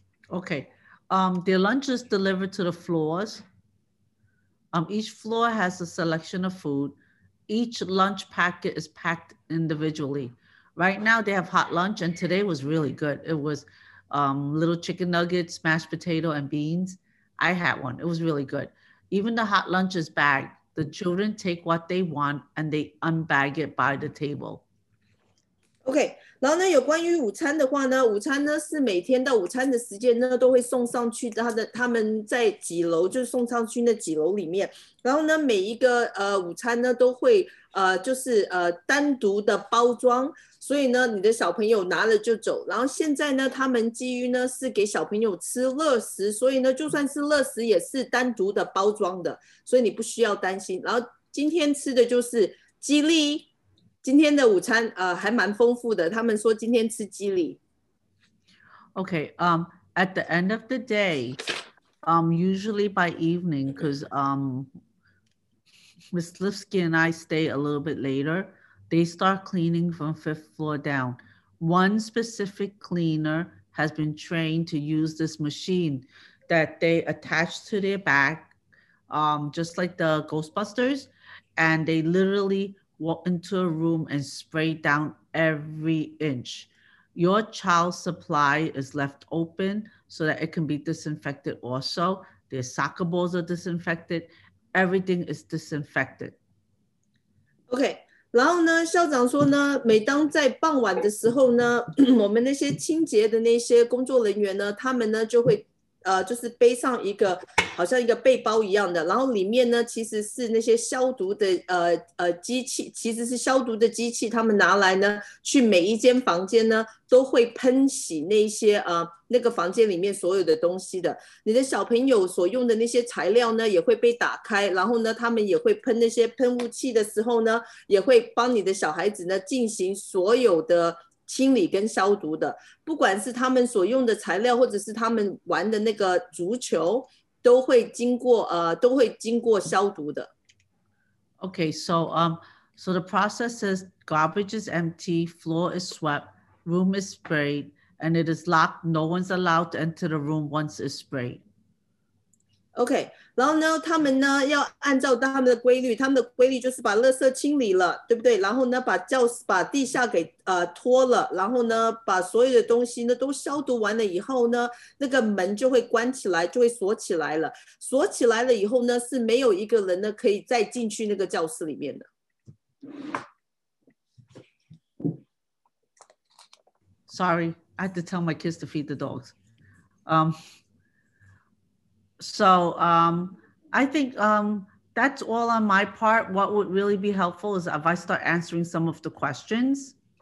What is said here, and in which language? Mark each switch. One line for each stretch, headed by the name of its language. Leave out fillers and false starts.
English: Okay, their lunch is delivered to the floors. Each floor has a selection of food. Each lunch packet is packed individually. Right now they have hot lunch and today was really good. It was little chicken nuggets, mashed potato and beans. I had one, it was really good. Even the hot lunch is bagged. The children take what they want and they unbag it by the table.
Chinese: Okay, 然后呢有关于午餐的话呢午餐呢是每天到午餐的时间呢都会送上去他们在几楼就送上去那几楼里面然后呢每一个午餐呢都会就是单独的包装所以呢你的小朋友拿了就走然后现在呢他们基于呢是给小朋友吃乐食所以呢就算是乐食也是单独的包装的所以你不需要担心然后今天吃的就是鸡粒今天的午餐还蛮丰富的他们说今天吃鸡粒。
English: Okay, at the end of the day, usually by evening, because Ms. Lipsky and I stay a little bit later, they start cleaning from fifth floor down. One specific cleaner has been trained to use this machine. that they attach to their back, just like the Ghostbusters, and they literally walk into a room and spray down every inch. Your child's supply is left open so that it can be disinfected also. Their soccer balls are disinfected. Everything is disinfected. Okay.
Chinese: 然后呢，校长说呢，每当在傍晚的时候呢，我们那些清洁的那些工作人员呢，他们呢就会，就是背上一个好像一个背包一样的，然后里面呢其实是那些消毒的机器，其实是消毒的机器，他们拿来呢去每一间房间呢都会喷洗那些那个房间里面所有的东西的。你的小朋友所用的那些材料呢也会被打开，然后呢他们也会喷那些喷雾器的时候呢也会帮你的小孩子呢进行所有的清理跟消毒的，不管是他们所用的材料或者是他们玩的那个足球都会经过都会经过消毒的。
English: Okay, so so the process is garbage is empty, floor is swept, room is sprayed, and it is locked. No one's allowed to enter the room once it's sprayed.
Chinese: Okay, 然后呢他们呢要按照他们的规律，他们的规律就是把垃圾清理了，对不对？然后呢把教室把地下给拖了，然后呢把所有的东西呢都消毒完了以后呢，那个门就会关起来，就会锁起来了。锁起来了以后呢，是没有一个人呢可以再进去那个教室里面的。
English: Sorry, I had to tell my kids to feed the dogs. So I think that's all on my part. What would really be helpful is if I start answering some of the questions.